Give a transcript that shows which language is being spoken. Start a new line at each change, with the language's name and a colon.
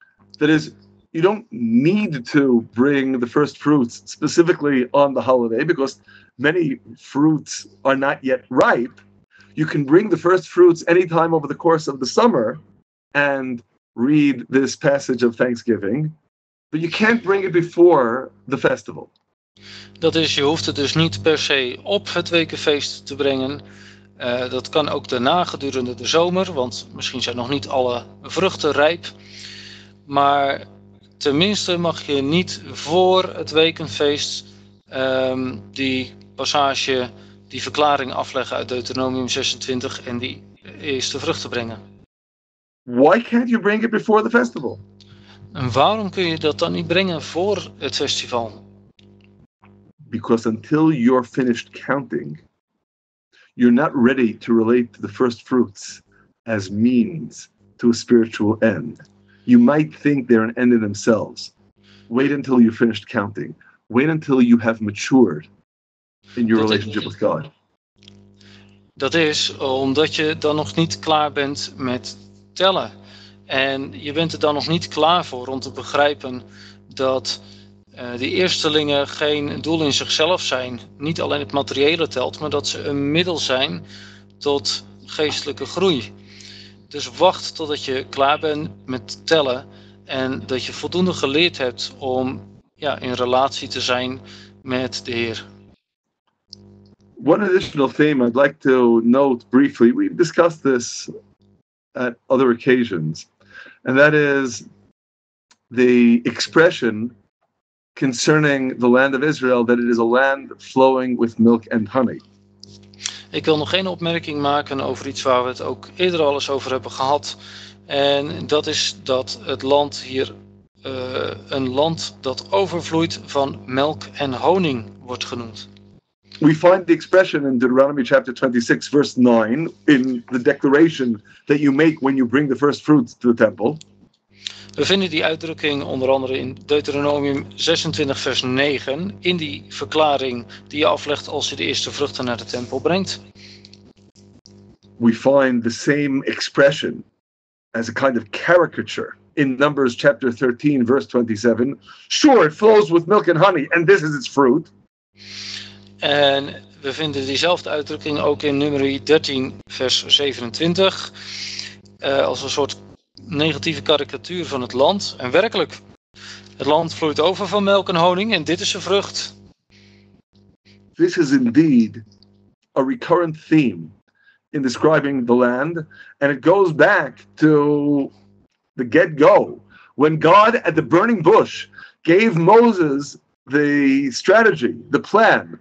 English: That is, you don't need to bring the first fruits specifically on the holiday, because many fruits are not yet ripe. You can bring the first fruits anytime over the course of the summer and read this passage of Thanksgiving, but you can't bring it before the festival.
Dutch: Dat is, je hoeft het dus niet per se op het wekenfeest te brengen. Dat kan ook daarna gedurende de zomer, want misschien zijn nog niet alle vruchten rijp. Maar tenminste mag je niet voor het wekenfeest die passage die verklaring afleggen uit Deuteronomium 26 en die eerste vruchten brengen.
English: Why can't you bring it before the festival?
Dutch: En waarom kun je dat dan niet brengen voor het festival?
English: Because until you're finished counting, you're not ready to relate to the first fruits as means to a spiritual end. You might think they're an end in themselves. Wait until you've finished counting. Wait until you have matured in your relationship with God.
Dutch: Dat is omdat je dan nog niet klaar bent met tellen. En je bent er dan nog niet klaar voor om te begrijpen dat die eerstelingen geen doel in zichzelf zijn. Niet alleen het materiële telt, maar dat ze een middel zijn tot geestelijke groei. Dus wacht totdat je klaar bent met tellen en dat je voldoende geleerd hebt om in relatie te zijn met de Heer.
English: One additional theme I'd like to note briefly. We've discussed this at other occasions. And that is the expression concerning the land of Israel that it is a land flowing with milk and honey.
Dutch: Ik wil nog één opmerking maken over iets waar we het ook eerder al eens over hebben gehad. En dat is dat het land hier een land dat overvloeit van melk en honing wordt genoemd.
English: We find the expression in Deuteronomy chapter 26 verse 9 in the declaration that you make when you bring the first fruits to the temple.
Dutch: We vinden die uitdrukking onder andere in Deuteronomium 26 vers 9 in die verklaring die je aflegt als je de eerste vruchten naar de tempel brengt.
English: We find the same expression as a kind of caricature in Numbers chapter 13 verse 27. Sure, it flows with milk and honey and this is its fruit.
Dutch: En we vinden diezelfde uitdrukking ook in Numeri 13 vers 27 als een soort negatieve karikatuur van het land. En werkelijk, het land vloeit over van melk en honing en dit is de vrucht.
English: This is indeed a recurrent theme in describing the land and it goes back to the get-go when God at the burning bush gave Moses the strategy, the plan.